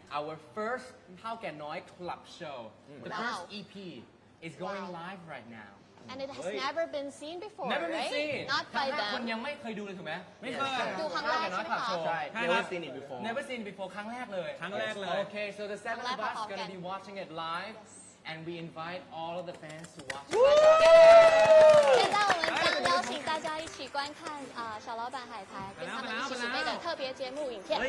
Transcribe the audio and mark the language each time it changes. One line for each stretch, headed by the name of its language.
English: Our first Thao Kien Noi club show, the first EP, is going live right now. And it has never been seen before, never been right? Seen. Not by them.
Thai: คนยังไม่เคยดูเลยถูกไหมไม่เคย ดูครั้งแรกใช่ไหมครับ ใช่
English: never seen it before never seen it before
Thai: ครั้งแรกเลย ครั้งแรกเลย
English: okay so the seven of us gonna be watching it live and we invite all of the fans to watch
Chinese: 现在我们将邀请大家一起观看小老板海苔跟他们一起准备的特别节目影片